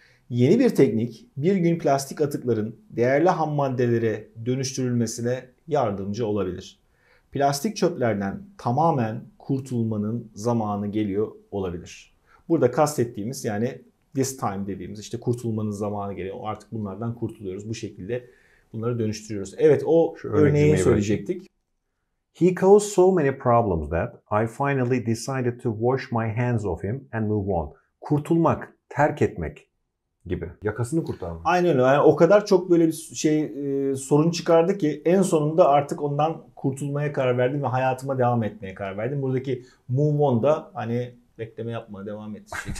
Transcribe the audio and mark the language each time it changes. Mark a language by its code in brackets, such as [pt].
[tr] Yeni bir teknik bir gün plastik atıkların değerli ham maddelere dönüştürülmesine yardımcı olabilir. Plastik çöplerden tamamen kurtulmanın zamanı geliyor olabilir. Burada kastettiğimiz yani [en] this time [tr] dediğimiz işte kurtulmanın zamanı geliyor. Artık bunlardan kurtuluyoruz bu şekilde bunları dönüştürüyoruz. Evet o örneği söyleyecektik. [en] He caused so many problems that I finally decided to wash my hands of him and move on. [tr] Kurtulmak, terk etmek gibi. Yakasını kurtarmak. Aynen öyle. Yani o kadar çok böyle bir şey sorun çıkardı ki en sonunda artık ondan kurtulmaya karar verdim ve hayatıma devam etmeye karar verdim. Buradaki move on da hani bekleme yapma, devam et.